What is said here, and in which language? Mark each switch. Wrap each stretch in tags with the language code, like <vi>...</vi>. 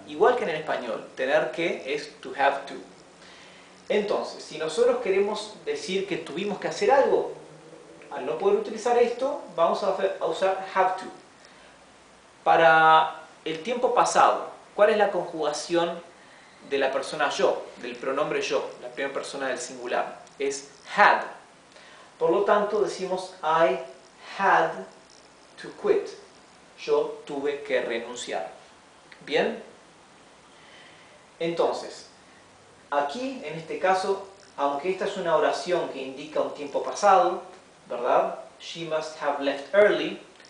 <es>Igual que en el español, tener que es</es> <en>to have to.</en> <es>Entonces, si nosotros queremos decir que tuvimos que hacer algo, al no poder utilizar esto, vamos a usar have to. Para el tiempo pasado, ¿cuál es la conjugación de la persona yo, del pronombre yo, la primera persona del singular? Es had. Por lo tanto, decimos</es> <en>I had to quit.</en> <es>Yo tuve que renunciar. ¿Bien? Entonces, aquí, en este caso, aunque esta es una oración que indica un tiempo pasado, ¿verdad?</es> <en>She must have left early.</en>